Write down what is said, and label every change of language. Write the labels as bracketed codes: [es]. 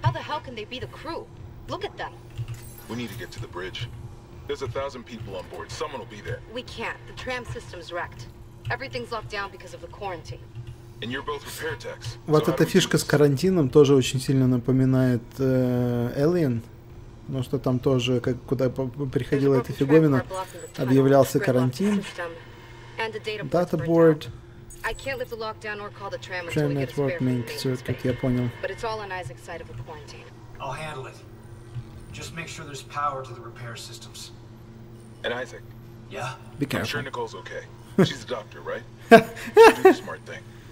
[en] We need to get to the bridge. There's a thousand people on board. Someone will be there. We can't. The tram system's wrecked. Everything's locked down because of the quarantine. And you're both repair techs. [ru] Вот эта фишка с карантином тоже очень сильно напоминает Alien. Но что там тоже, как куда приходила эта фиговина, объявлялся карантин. Датаборд. [en] I can't lift the lockdown or call the tram until we get a spare main circuit. [ru] Я понял. [en] But it's all on Isaac's side of the quarantine. I'll handle it. Just make sure there's power to the repair systems. And Isaac. Yeah. Be careful. I'm sure Nicole's okay. She's a doctor, right? Do the smart thing.